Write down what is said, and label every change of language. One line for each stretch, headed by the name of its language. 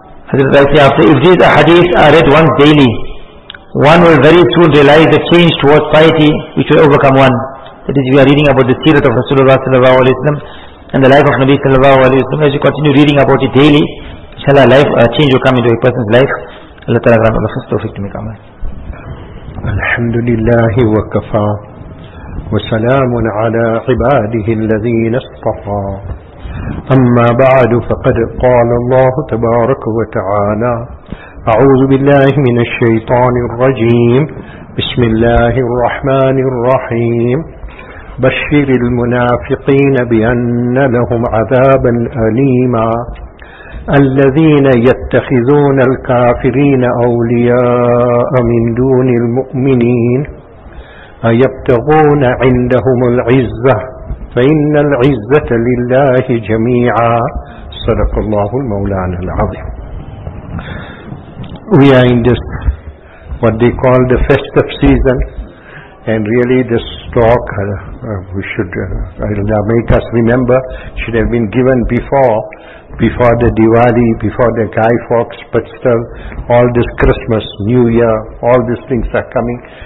English: Hazrat Ali said, "If these hadiths are read once daily, one will very soon realize the change towards piety which will overcome one." That is, we are reading about the seerah of Rasulullah sallallahu alayhi wa sallam and the life of Nabi sallallahu alayhi wa sallam. As you continue reading about it daily, inshallah, life change will come into a person's life. Allah Ta'ala grant Allah tawfiq to make amal.
Arabic: Alhamdulillah wa kafa وسلام على عباده الذين اصطفى. أما بعد، فقد قال الله تبارك وتعالى: أعوذ بالله من الشيطان الرجيم، بسم الله الرحمن الرحيم. بشر المنافقين بأن لهم عذابا أليما، الذين يتخذون الكافرين أولياء من دون المؤمنين، أيبتغون عندهم العزة فإن العزة لله جميعا. صدق الله المولانا العظيم.
English: We are in this what they call the festive season, and really this talk Allah make us remember should have been given before the Diwali, before the Guy Fawkes, but still all this Christmas, New Year, all these things are coming.